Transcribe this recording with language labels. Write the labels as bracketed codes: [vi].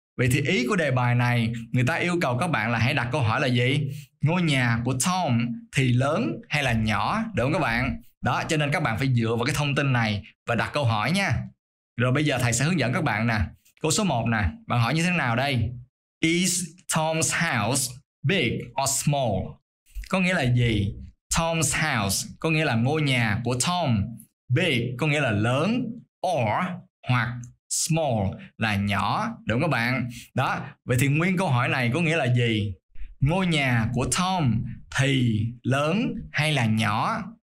[vi] Vậy thì ý của đề bài này, người ta yêu cầu các bạn là hãy đặt câu hỏi là gì? Ngôi nhà của Tom thì lớn hay là nhỏ? Được không các bạn? Đó, cho nên các bạn phải dựa vào cái thông tin này và đặt câu hỏi nha. Rồi bây giờ thầy sẽ hướng dẫn các bạn nè. Câu số 1 nè, bạn hỏi như thế nào đây? [en] Is Tom's house big or small? [vi] Có nghĩa là gì? Tom's house có nghĩa là ngôi nhà của Tom. Big có nghĩa là lớn, or hoặc small là nhỏ. Đúng các bạn? Đó, vậy thì nguyên câu hỏi này có nghĩa là gì? Ngôi nhà của Tom thì lớn hay là nhỏ?